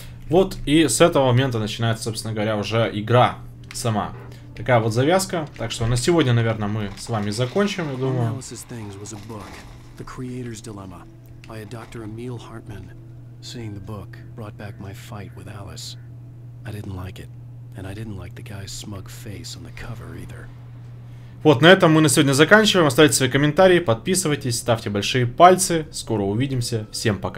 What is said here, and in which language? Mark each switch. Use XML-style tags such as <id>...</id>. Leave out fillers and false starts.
<ru>Вот и с этого момента начинается, собственно говоря, уже игра сама. Такая вот завязка. Так что на сегодня, наверное, мы с вами закончим, я думаю.</ru> <en>Alice's things was a book, The Creator's Dilemma, by a Dr. Emil Hartman. Seeing the book brought back my fight with Alice. I didn't like it, and I didn't like the guy's smug face on the cover either.</en> <ru>Вот, на этом мы на сегодня заканчиваем. Оставляйте свои комментарии, подписывайтесь, ставьте большие пальцы. Скоро увидимся. Всем пока.</ru>